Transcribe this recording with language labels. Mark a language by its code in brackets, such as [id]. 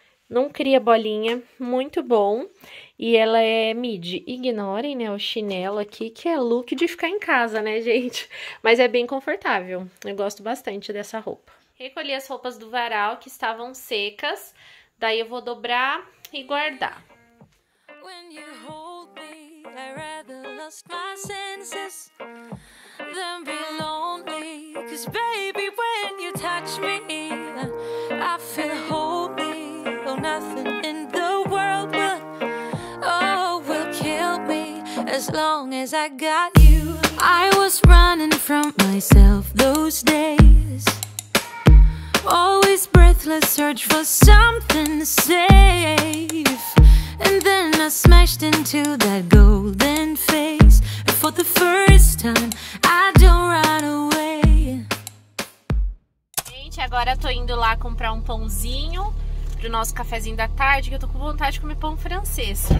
[pt] Não cria bolinha, muito bom. E ela é midi. Ignorem, né, o chinelo aqui, que é look de ficar em casa, né, gente? Mas é bem confortável. Eu gosto bastante dessa roupa. Recolhi as roupas do varal que estavam secas. Daí eu vou dobrar e guardar. [en] When you hold me, I rather lost my senses than be lonely. Cause baby, when you touch me, I feel whole. Nothing in the world will, oh, will kill me as long as I got you. I was running from myself those days. Always breathless, search for something safe. And then I smashed into that golden face. And for the first time, I don't run away. [pt] Gente, agora tô indo lá comprar um pãozinho pro nosso cafezinho da tarde, que eu tô com vontade de comer pão francês.